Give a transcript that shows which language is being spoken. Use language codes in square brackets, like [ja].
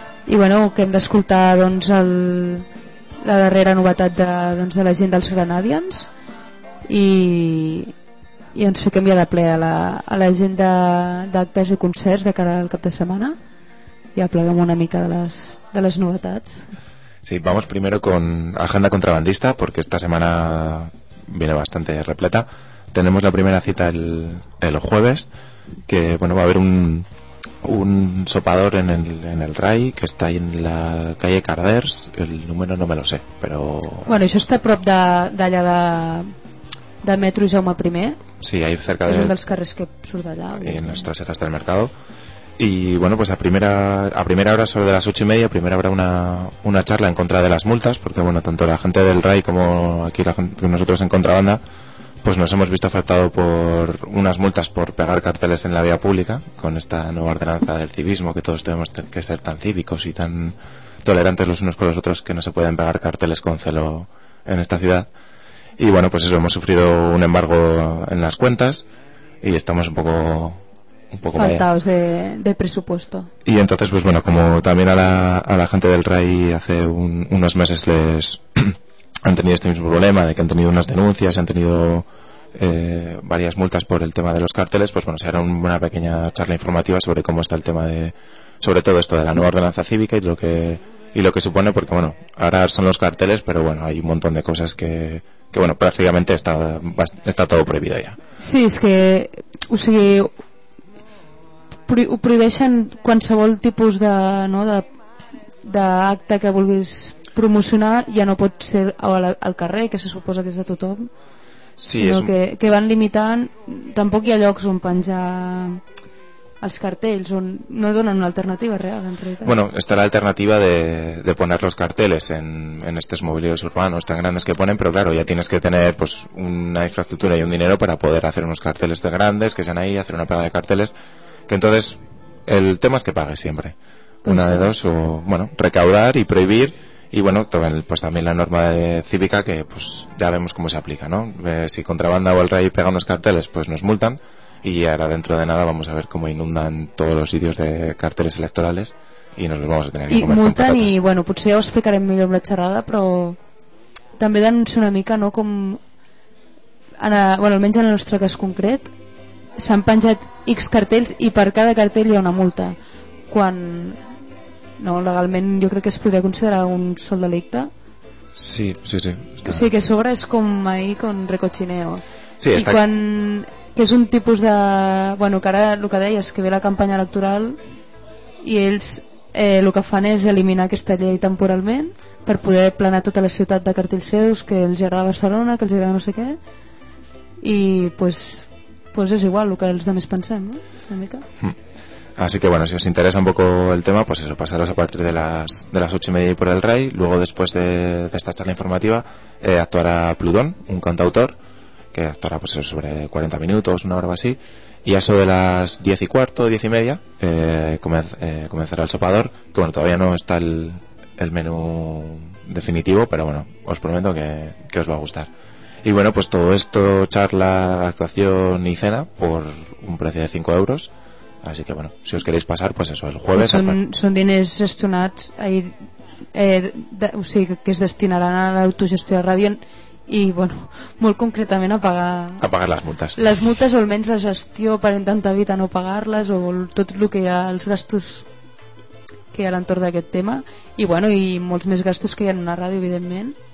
[ca] I bueno, que hem d'escoltar doncs la darrera novetat de la gent dels Granadians i ens fiquem ja de ple a la gent d'actes i concerts de cara al cap de setmana i apleguem una mica de les novetats. [es] Sí, vamos primero con Agenda Contrabandista porque esta semana viene bastante repleta. Tenemos la primera cita el jueves, que bueno, va a haber un sopador en el RAI, que està en la calle Carders, el número no me lo sé, però... [ca] Bueno, això està a prop d'allà de metro Jaume I. [es] Sí, ahí cerca [ca] de... És un dels carrers que surt d'allà. I en les traseres del [es] mercado. Y bueno, pues a primera hora, sobre las 8:30, primero habrá una charla en contra de las multas, porque bueno, tanto la gente del RAI como aquí la gente, nosotros en contrabanda, pues nos hemos visto afectados por unas multas por pegar carteles en la vía pública, con esta nueva ordenanza del civismo, que todos tenemos que ser tan cívicos y tan tolerantes los unos con los otros, que no se pueden pegar carteles con celo en esta ciudad. Y bueno, pues eso, hemos sufrido un embargo en las cuentas y estamos un poco faltados de presupuesto. Y entonces, pues bueno, como también a la gente del RAI hace unos meses les... han tenido este mismo problema, de que han tenido unas denuncias, han tenido varias multas por el tema de los carteles, pues bueno, se hará una pequeña charla informativa sobre cómo está el tema de, sobre todo esto de la nueva ordenanza cívica y lo que supone, porque bueno, ahora son los carteles, pero bueno, hay un montón de cosas que bueno, prácticamente está todo prohibido ya. [ca] Sí, es que, o sigui, ho prohibeixen qualsevol tipus de, no, de acte que vulguis promocionar, ja no pot ser al carrer, que se suposa que és de tothom, sí, sinó és... que van limitant. Tampoc hi ha llocs on penjar els cartells, on no donen una alternativa real, en realitat. [es] Bueno, [ca] està l'alternativa de [es] poner los carteles en estos mobiliarios urbanos tan grandes que ponen, pero claro, ya tienes que tener pues una infraestructura y un dinero para poder hacer unos carteles tan grandes, que sean ahí, hacer una pega de carteles, que entonces el tema es que pague siempre, una de dos, o bueno, recaudar y prohibir. Y bueno, pues también la norma cívica, que pues ya vemos cómo se aplica, ¿no? Si contrabanda o el RAI pega unos carteles, pues nos multan. Y ahora dentro de nada vamos a ver cómo inundan todos los sitios de carteles electorales y nos los vamos a tener que comer. [ca] Y multan, y bueno, potser ja ho explicaré millor amb la xerrada, però també denuncia una mica, ¿no?, com, bueno, almenys en el nostre cas concret, s'han penjat X cartells i per cada cartell hi ha una multa. Quan... No, legalment jo crec que es podria considerar un sol delicte. Sí, sí, sí. Està. O sigui que a sobre és com [es] ahí con recochineo. [ca] Sí, està. I quan... que és un tipus de... Bueno, que ara el que deies, que ve la campanya electoral i ells el que fan és eliminar aquesta llei temporalment per poder planar tota la ciutat de cartells seus, que els agrada Barcelona, que els agrada no sé què, i pues és igual el que els altres pensem, no? Una mica. [es] Así que bueno, si os interesa un poco el tema, pues eso, pasaros a partir de las 8:30 por el RAI. Luego, después de esta charla informativa, actuará Pludón, un cantautor, que actuará pues eso, sobre 40 minutos, una hora o así. Y a eso de las 10:15, 10:30, comenzará el sopador, que bueno, todavía no está el menú definitivo, pero bueno, os prometo que os va a gustar. Y bueno, pues todo esto, charla, actuación y cena, por un precio de 5 euros. Así que bueno, si os queréis pasar, pues eso, el jueves... [ca] Són diners gestionats, o sigui, que es destinaran a l'autogestió de ràdio i, bueno, molt concretament a pagar les multes. Les multes, o almenys la gestió per intentar evitar no pagar-les, o tot el que hi ha, els gastos que hi ha a l'entorn d'aquest tema, i bueno, i molts més gastos que hi ha en una ràdio, evidentment.